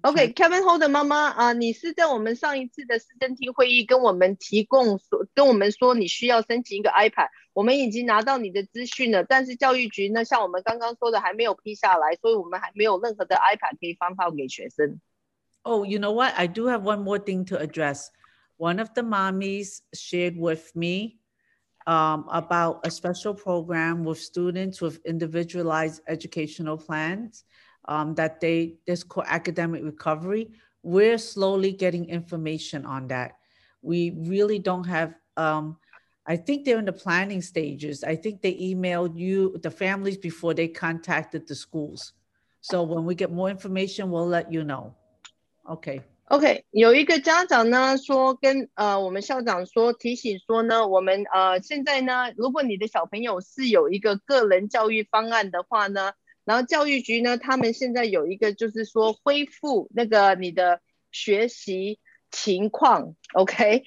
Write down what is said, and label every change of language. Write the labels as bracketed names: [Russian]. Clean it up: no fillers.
[Chinese] Okay, Kevin Ho 的妈妈啊，你是在我们上一次的市政厅会议跟我们提供说，跟我们说你需要申请一个 iPad， 我们已经拿到你的资讯了，但是教育局呢，像我们刚刚说的还没有批下来，所以我们还没有任何的 iPad 可以发放给学生。 [English] Oh, you know what? I do have one more thing to address. One of the mommies shared with me, about a special program with students with individualized educational plans. This core academic recovery, we're slowly getting information on that. We really don't have, I think they're in the planning stages. I think they emailed you, the families, before they contacted the schools. So when we get more information, we'll let you know. Okay. [Chinese] Okay, 有一个家长呢说跟我们校长说提醒说呢，我们现在呢，如果你的小朋友是有一个个人教育方案的话呢，然后教育局呢，他们现在有一个就是说恢复那个你的学习情况 ，OK。